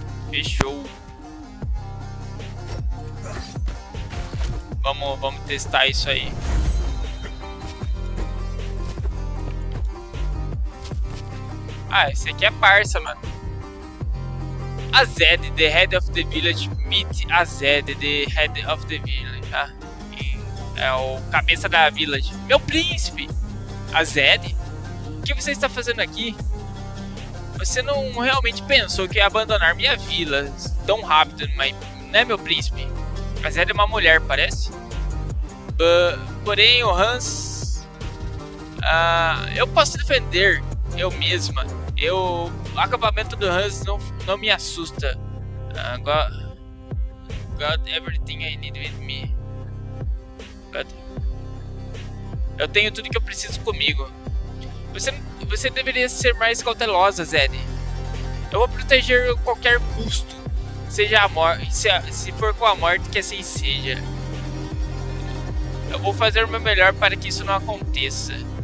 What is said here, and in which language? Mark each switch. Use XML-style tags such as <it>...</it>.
<pt>Fechou. Vamos testar isso aí. Ah, esse aqui é parça, mano.</pt> <en>Azed, the head of the village, meet Azed, the head of the village, tá?</en> <pt>É o cabeça da village. Meu príncipe! Azed? O que você está fazendo aqui? Você não realmente pensou que ia abandonar minha vila tão rápido, mas, né, meu príncipe? Mas ela é uma mulher, parece? Porém, o Hans... eu posso defender eu mesma. Eu, o acampamento do Hans não me assusta.</pt> <en>God everything I need with me. God.</en> <pt>Eu tenho tudo que eu preciso comigo. Você deveria ser mais cautelosa, Zed. Eu vou proteger a qualquer custo. Seja a morte. Se for com a morte, que assim seja. Eu vou fazer o meu melhor para que isso não aconteça.</pt>